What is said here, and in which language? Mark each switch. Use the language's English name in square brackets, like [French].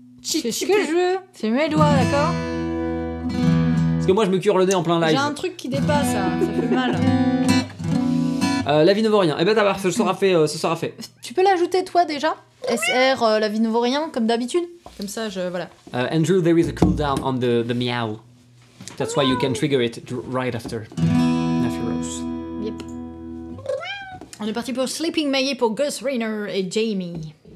[French] C'est ce que je veux. C'est mes doigts, d'accord? Parce que moi, je me cure le nez en plein live. J'ai un truc qui dépasse, hein. Ça fait mal. La vie ne vaut rien. Eh ben, t'as marre, ce sera fait. Tu peux l'ajouter, toi, déjà? SR, la vie ne vaut rien, comme d'habitude. Comme ça, je... Voilà. [English] Andrew, there is a cool down on the meow. That's why you can trigger it right after. Nephiros. Yep. [French] On est parti pour Sleeping Maggie pour Gus Rayner et Jamie.